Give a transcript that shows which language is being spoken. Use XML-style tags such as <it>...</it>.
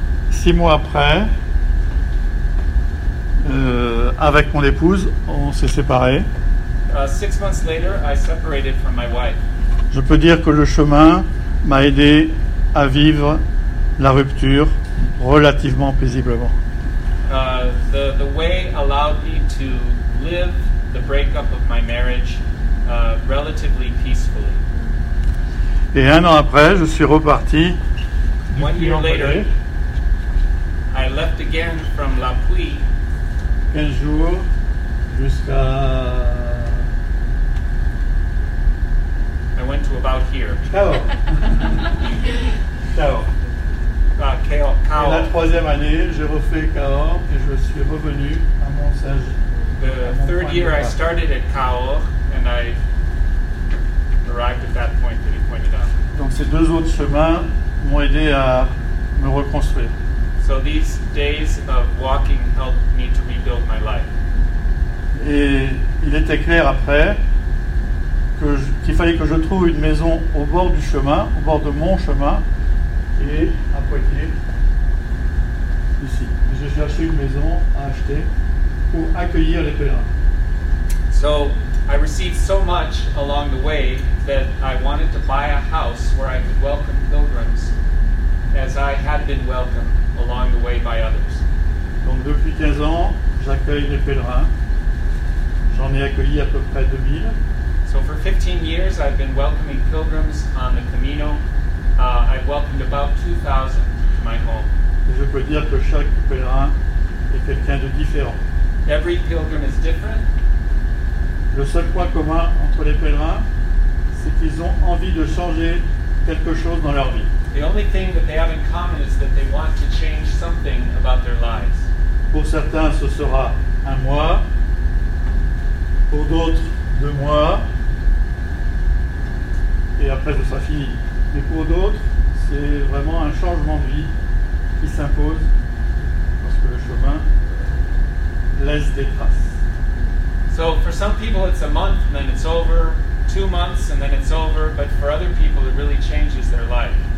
<fr>6 mois après, avec mon épouse, on s'est séparés.</fr> <en>6 months later, I separated from my wife.</en> <fr>Je peux dire que le chemin m'a aidé à vivre la rupture relativement paisiblement.</fr> <en>The way allowed me to live the breakup of my marriage relatively peacefully.</en> <fr>Et un an après, je suis reparti.</fr> <en>One year later, I left again from La Puy.</en> <fr>15 jours jusqu'à.</fr> <en>I went to about here.</en> <fr>Cahors. La troisième année, j'ai refait Cahors et je suis revenu à mon singe.</fr> <en>The third year, I started at Cahors and I arrived at that point that he pointed out.</en> <fr>Donc ces deux autres chemins m'ont aidé à me reconstruire.</fr> <en>So these days of walking helped me to rebuild my life.</en> <fr>Et il était clair après. Qu'il fallait que je trouve une maison au bord du chemin, au bord de mon chemin, et à Poitiers, ici. J'ai cherché une maison à acheter pour accueillir les pèlerins.</fr> <en>So, I received so much along the way that I wanted to buy a house where I could welcome pilgrims as I had been welcomed along the way by others.</en> <fr>Donc depuis 15 ans, j'accueille les pèlerins. J'en ai accueilli à peu près 2000.</fr> <en>So for 15 years, I've been welcoming pilgrims on the Camino. I've welcomed about 2,000 to my home.</en> <fr>je peux dire que chaque pèlerin est quelqu'un de différent.</fr> <en>Every pilgrim is different.</en> <fr>Le seul point commun entre les pèlerins, c'est qu'ils ont envie de changer quelque chose dans leur vie.</fr> <en>The only thing that they have in common is that they want to change something about their lives.</en> <fr>Pour certains, ce sera un mois. Pour d'autres, deux mois. Et après, ce sera fini. Mais pour d'autres, c'est vraiment un changement de vie qui s'impose parce que le chemin laisse des traces.</fr> <en>So for some people, it's a month, and then it's over. 2 months, and then it's over. But for other people, it really changes their life.</en>